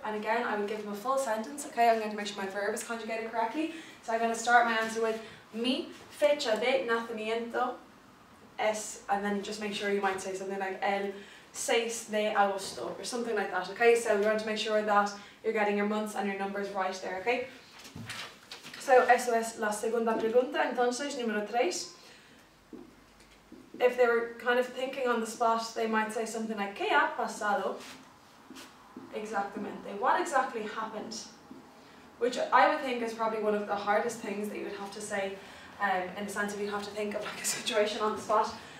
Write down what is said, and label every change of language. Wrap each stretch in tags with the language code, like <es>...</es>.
<en>And again, I would give them a full sentence, okay? I'm going to make sure my verb is conjugated correctly. So I'm going to start my answer with</en> <es>mi fecha de nacimiento es,</es> <en>and then just make sure you might say something like</en> <es>el 6 de agosto</es> <en>or something like that, okay? So we want to make sure that you're getting your months and your numbers right there, okay?</en> <es>So eso es la segunda pregunta, entonces, número 3.</es> <en>If they were kind of thinking on the spot, they might say something like,</en> <es>¿qué ha pasado exactamente?</es> <en>What exactly happened? Which I would think is probably one of the hardest things that you would have to say, in the sense of you'd have to think of like a situation on the spot.</en>